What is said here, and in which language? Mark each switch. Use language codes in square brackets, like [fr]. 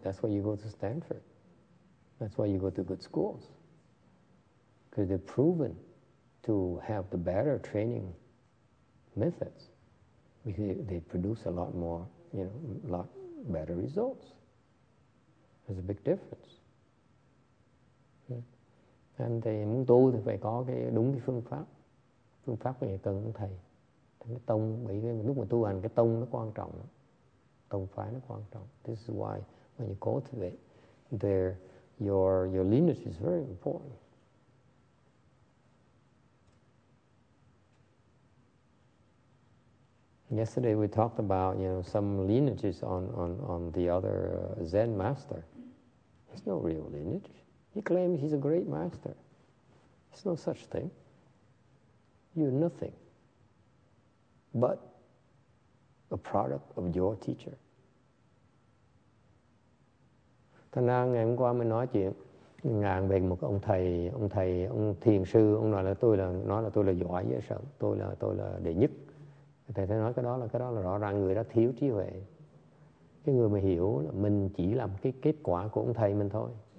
[en] That's why you go to Stanford. That's why you go to good schools. Because they've proven to have the better training methods. They produce a lot more, you know, a lot better results. There's a big difference. Yeah. And they [vi] muốn tu thì phải có cái đúng cái phương pháp. Phương pháp thì cần thầy. Cái tông, lúc mà tu hành cái tông nó quan trọng. Tông phái nó quan trọng. [en] This is why when you cultivate there, your lineage is very important. Yesterday we talked about, you know, some lineages on the other Zen master. It's no real lineage. He claims he's a great master. There's no such thing. You're nothing but a product of your teacher. [vi] Thành ra ngày hôm qua mình nói chuyện ngàn về một ông thầy, ông thiền sư, ông nói là tôi là giỏi dễ sợ, tôi là đệ nhất. Thầy nói cái đó là rõ ràng người đó thiếu trí huệ. Cái người mà hiểu là mình chỉ là một cái kết quả của ông thầy mình thôi.